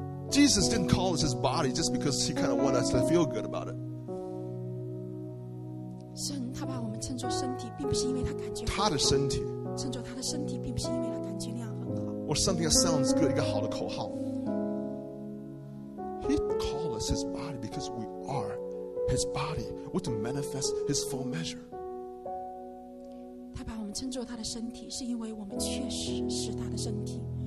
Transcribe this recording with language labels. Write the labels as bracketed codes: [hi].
[en] Jesus didn't call us his body just because he kind of wanted us to feel good about it. [zh] 神他把我们称作身体，并不是因为他感觉他的身体，称作他的身体，并不是因为他感觉那样很好。 [en] Or something that sounds good, [zh] 一个好的口号。 [en] He called us his body because we are his body. We to manifest his full measure. [zh] 他把我们称作他的身体，是因为我们确实是他的身体。